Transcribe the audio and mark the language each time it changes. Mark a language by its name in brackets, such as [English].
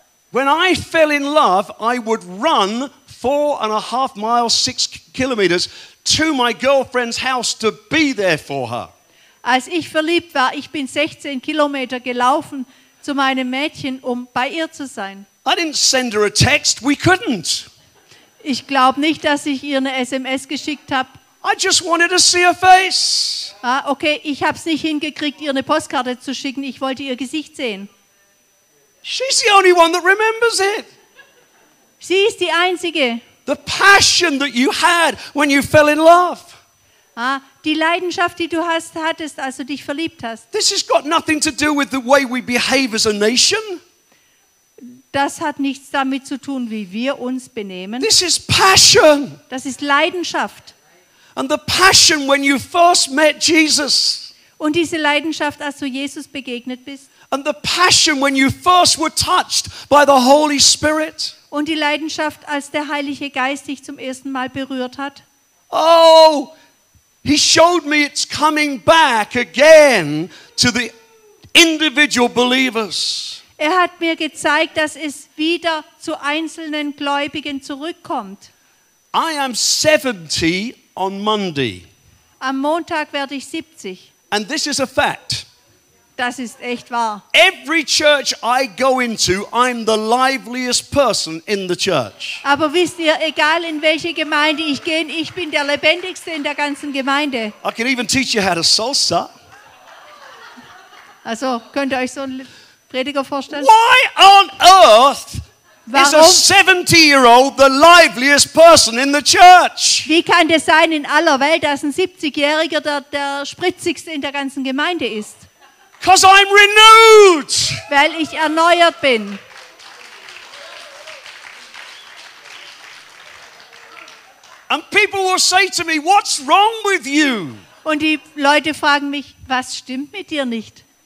[English] When I fell in love, I would run 4.5 miles, 6 kilometers to my girlfriend's house to be there for her. [German] Als ich verliebt war, ich bin 16 Kilometer gelaufen zu meinem Mädchen, um bei ihr zu sein. [English] I didn't send her a text. We couldn't. [German] Ich glaube nicht, dass ich ihr eine SMS geschickt habe. [English] I just wanted to see her face. [German] Ah, okay, ich habe es nicht hingekriegt, ihr eine Postkarte zu schicken. Ich wollte ihr Gesicht sehen. [English] She's the only one that remembers it. [German] Sie ist die Einzige. [English] The passion that you had when you fell in love. [German] Ah, die Leidenschaft, die du hattest, als du dich verliebt hast. [English] This has got nothing to do with the way we behave as a nation. [German] Das hat nichts damit zu tun, wie wir uns benehmen. [English] This is passion. [German] Das ist Leidenschaft. [English] And the passion when you first met Jesus. [German] Und diese Leidenschaft, als du Jesus begegnet bist. [English] And the passion when you first were touched by the Holy Spirit. [German] Und die Leidenschaft, als der Heilige Geist dich zum ersten Mal berührt hat. [English] Oh, he showed me it's coming back again to the individual believers. [German] Er hat mir gezeigt, dass es wieder zu einzelnen Gläubigen zurückkommt. [English] I am 70 on Monday. [German] Am Montag werde ich 70. [English] And this is a fact. [German] Das ist echt wahr. [English] Every church I go into, I'm the liveliest person in the church. [German] Aber wisst ihr, egal in welche Gemeinde ich gehe, ich bin der lebendigste in der ganzen Gemeinde. [English] I can even teach you how to salsa. [German] Also, könnt ihr euch so einen Prediger vorstellen? [English] Why on earth is a 70-year-old the liveliest person in the church? [German] Wie kann das sein in aller Welt, dass ein 70-Jähriger der spritzigste in der ganzen Gemeinde ist? [English] Because I'm renewed. [German] Weil ich erneuert bin. [English] And people will say to me, "What's wrong with you?" [German] Und die Leute fragen mich, was stimmt mit dir nicht?